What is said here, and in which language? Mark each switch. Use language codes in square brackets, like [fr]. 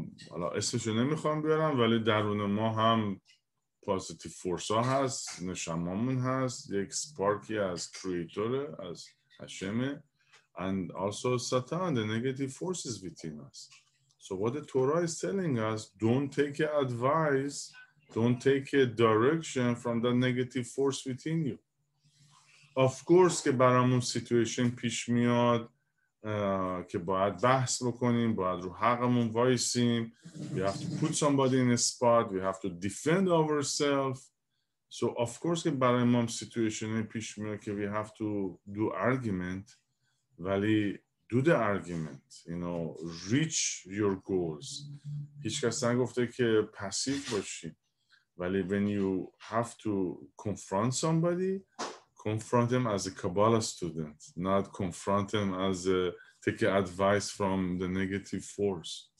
[fa] حالا اسمشو نمیخوام بیارم ولی درون ما هم positive force ها هست. نشمامون هست. یک sparky از creator, از هشمه. [en] And also Satan, the negative forces within us. So what the Torah is telling us, don't take advice, don't take direction from the negative force within you. Of course که برامون situation پیش میاد [fa] که باید بحث بکنیم، باید رو حقمون وایسیم. [en] We have to put somebody in a spot. We have to defend ourselves. So of course که برای ما situation پیش میاد که we have to do argument. ولی do the argument. You know, reach your goals. [fa] هیچ کس نگفته که پسیف باشیم. [en] ولی when you have to confront somebody, confront him as a Kabbalah student, not confront him as a take advice from the negative force.